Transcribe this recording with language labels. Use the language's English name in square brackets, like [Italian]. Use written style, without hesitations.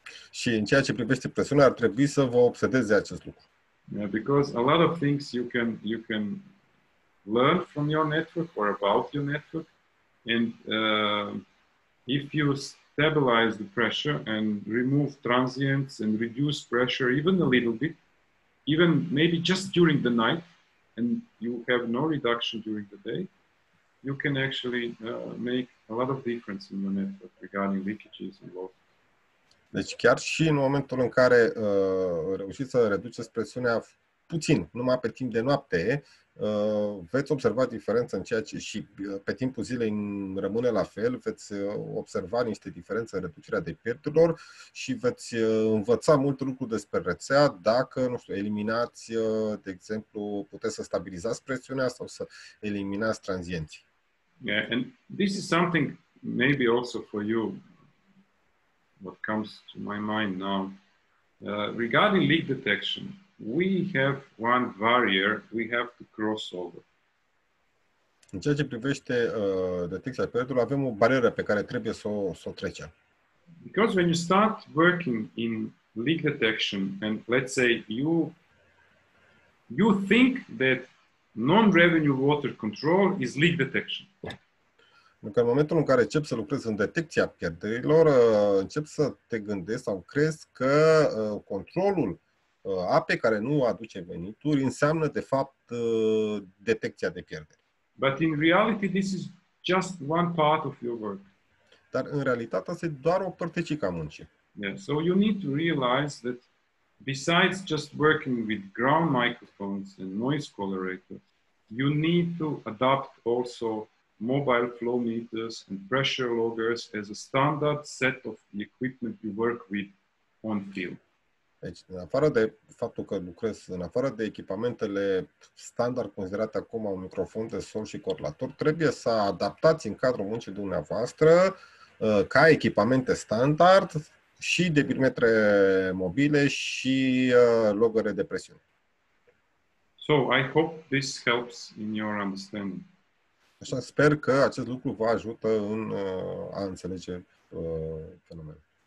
[Romanian] Și în ceea ce privește presiunea ar trebui să vă obsedeze acest lucru. [English] Yeah, because a lot of things you can learn from your network or about your network, and if you stabilize the pressure and remove transients and reduce pressure even a little bit, even maybe just during the night and you have no reduction during the day, you can actually make a lot of difference in the network regarding leakages and loss. [Romanian] Deci chiar și în momentul în care reușiți să reduceți presiunea puțin, numai pe timp de noapte, veți observa diferență în ceea ce și pe timpul zilei rămâne la fel, veți observa niște diferențe în reducerea de pierderilor și veți învăța multe lucruri despre rețea dacă, nu știu, eliminați, de exemplu, puteți să stabilizați presiunea sau să eliminați tranzienții. [English] Yeah, and this is something maybe also for you what comes to my mind now. Regarding leak detection, we have one barrier we have to cross over. [Romanian] În ceea ce privește detecția pierderilor, avem o barieră pe care trebuie să o trecem. [English] Because when you start working in leak detection and let's say you think that non-revenue water control is leak detection. [Romanian] Pentru că în momentul în care încep să lucrez în detecția pierderilor, încep să te gândești sau crezi că controlul apei care nu aduce venituri înseamnă de fapt detecția de pierderi. [English] But in reality this is just one part of your work. [Romanian] Dar în realitate asta e doar o părticică a muncii. [English] Yeah, so you need to realize that besides just working with ground microphones and noise colorators, you need to adapt also mobile flow meters and pressure loggers as a standard set of the equipment you work with on field. [Romanian] Deci, în afară de faptul că lucrez, în afară de echipamentele standard considerate acum, un microfon de sol și corlator, trebuie să adaptați în cadrul muncii dumneavoastră ca echipamente standard și debitmetre mobile și logere de presiune. [English] So, I hope this helps in your understanding. [Romanian] Așa, sper că acest lucru vă ajută în a înțelege fenomenul.